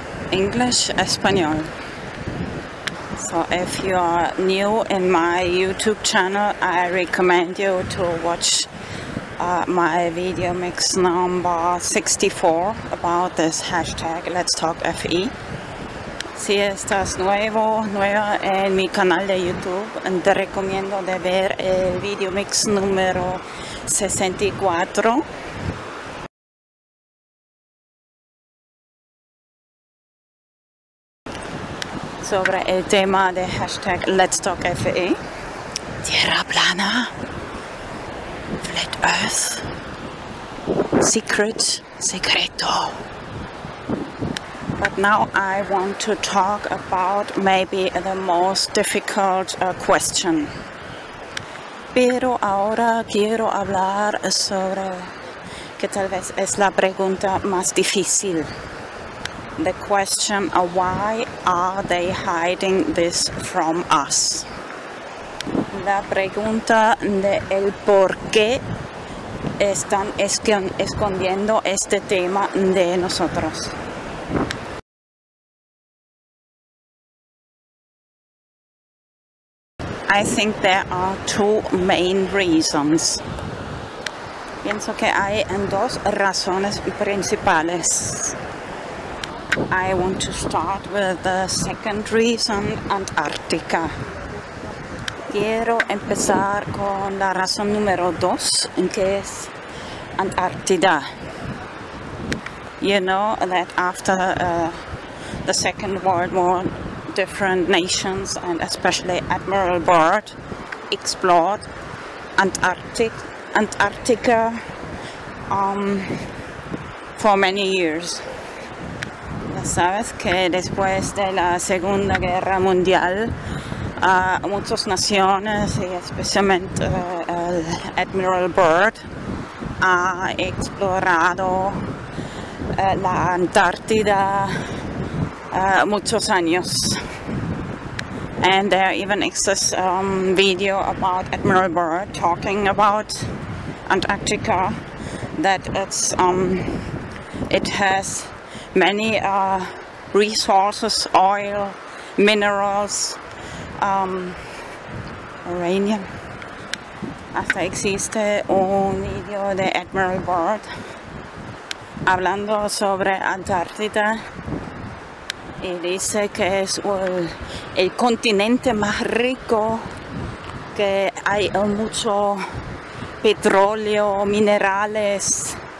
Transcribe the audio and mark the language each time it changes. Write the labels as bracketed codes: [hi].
[en] English, Espanol. So if you are new in my YouTube channel, I recommend you to watch my video mix number 64 about this hashtag Let's Talk FE. [es] Si estás nueva en mi canal de YouTube, te recomiendo de ver el video mix número 64. Sobre el tema de hashtag Let's Talk FE. Tierra plana. [en] Flat Earth. Secret. [es] Secreto. [en] But now I want to talk about maybe the most difficult question. [es] Pero ahora quiero hablar sobre que tal vez es la pregunta más difícil. [en] The question, why are they hiding this from us? [es] La pregunta de el por qué están escondiendo este tema de nosotros. [en] I think there are two main reasons. [es] Pienso que hay dos razones principales. [en] I want to start with the second reason, Antarctica. [es] quiero empezar con la razón número dos, que es Antarctica. [en] You know that after the Second World War, different nations, and especially Admiral Byrd, explored Antarctica for many years. [es] Sabes que después de la Segunda Guerra Mundial, muchas naciones, y especialmente el Admiral Byrd, ha explorado la Antártida muchos años. [en] And there even exists a video about Admiral Byrd talking about Antarctica, that it's it has many resources, oil, minerals, uranium. [es] Hasta existe un video de Admiral Byrd hablando sobre Antártida y dice que es el continente más rico, que hay mucho petróleo, minerales.